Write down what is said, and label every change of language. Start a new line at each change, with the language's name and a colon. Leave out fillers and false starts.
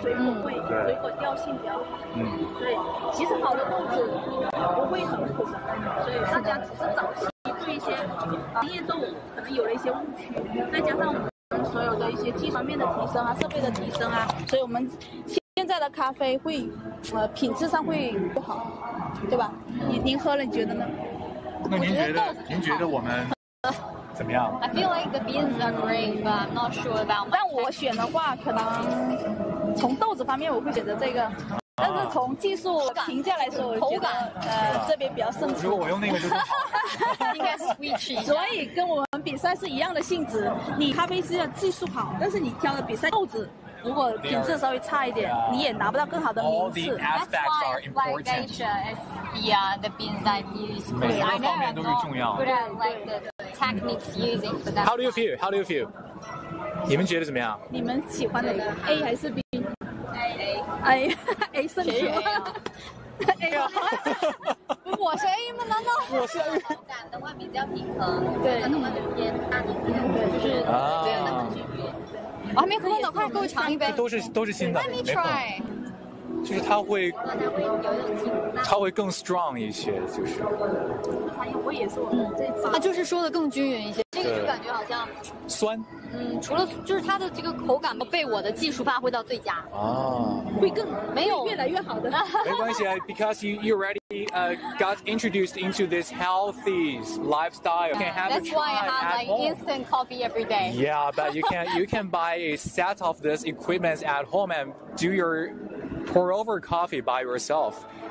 Chinese: 水果味，水果调性比较好。对，其实好的豆子不会很苦，所以大家只是早期对一些专业豆可能有了一些误区，再加上我们所有的一些技术方面的提升啊，设备的提升啊，所以我们现在的咖啡会品质上会不好，对吧？您喝了你觉得呢？那您觉得我们？怎么样
English: ？I feel like the beans are great, but I'm not sure about.
Chinese: 但我选的话，可能从豆子方面，我会选择这个。但是从技术评价来说，我觉得这边比较胜出。如果我用那个就更好，应该是 switch。所以跟我们比赛是一样的性质，你咖啡师的技术好，但是你挑的比赛豆子。如果品质稍微差一点，
English: yeah.
Chinese: 你也拿不到更好的名次。
English: That's why, like Asia, is beyond the beans I use.
Chinese: 每个方面都是重要。
English: But like the techniques using for that. How do you feel? How do you feel?
Chinese: 你们觉得怎么样？你们喜欢的 A 还是 B? A. A 胜出。 A 我是 A 吗？难道我是 A？口感的话比较平衡，对，可能会偏大一点，对，就是这样的感觉。我还没喝呢，快给我尝一杯。都是新的，没喝。就是它会更 strong 一些，就是。它就是说的更均匀一些，这个就感觉好像酸。嗯，除了就是它的这个口感被我的技术发挥到最佳。啊。会更没有越来越好的。没关系
English: ，because you already got introduced into this healthy lifestyle. Yeah, that's why I have like instant coffee every day. Yeah, but you can buy a set of this equipment at home and do your pour over coffee by yourself.